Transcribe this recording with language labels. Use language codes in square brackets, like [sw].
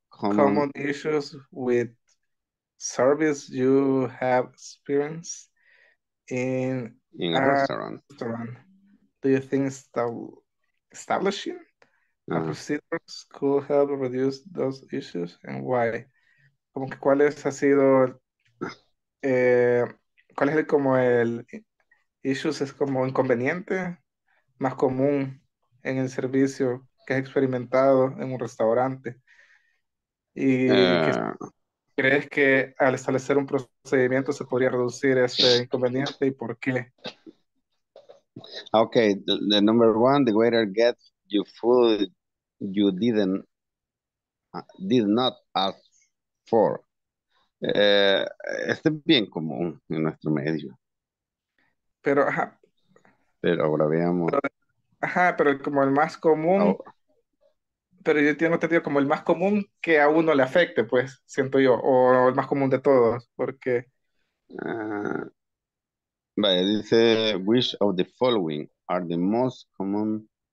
[en] common issues with service you have experienced in a restaurant. Do you think establishing a procedure could help reduce those issues and why? [es] Como que cuál es, ha sido cuál es el, como el issues es como inconveniente más común en el servicio que has experimentado en un restaurante. Y ¿crees que al establecer un procedimiento se podría reducir ese inconveniente y por qué? [en] Okay, the number one, the waiter gets you food you did not ask for. [es] Este es bien común en nuestro medio. Pero, ajá. Pero ahora veamos. Ajá, pero como el más común. Oh. Pero yo tengo entendido como el más común que a uno le afecte, pues, siento yo. O el más común de todos, porque... [en] Vale, dice, which of the following are the most common?